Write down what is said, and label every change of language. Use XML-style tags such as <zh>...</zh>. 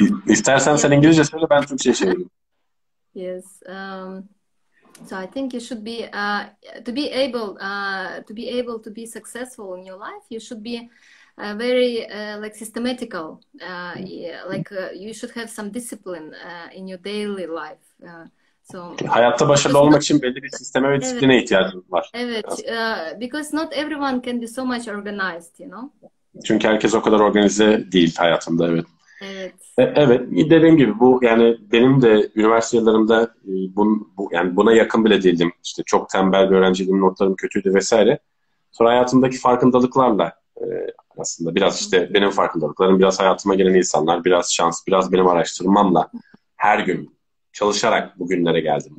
<tr>İstersen sen İngilizce söyle, ben Türkçe çevireyim.</tr> <en>So I think you should be to be able to be successful in your life, you should be very like systematical. You should have some discipline in your daily life. So</en> <tr>Hayatta başarılı</tr> <en>because</en> <tr>olmak</tr> <en>not</en> <tr>için belli bir sisteme ve disipline ihtiyacım var.</tr> <en>because not everyone can be so much organized, you know.</en> <tr>Çünkü herkes o kadar organize değil hayatında, evet. Evet. Evet, dediğim gibi bu, yani benim de üniversite yıllarımda yani buna yakın bile değildim. İşte çok tembel bir öğrenciydim, notlarım kötüydü vesaire. Sonra hayatımdaki farkındalıklarla aslında biraz işte benim farkındalıklarım, biraz hayatıma gelen insanlar, biraz şans, biraz benim araştırmamla her gün çalışarak bugünlere geldim.</tr>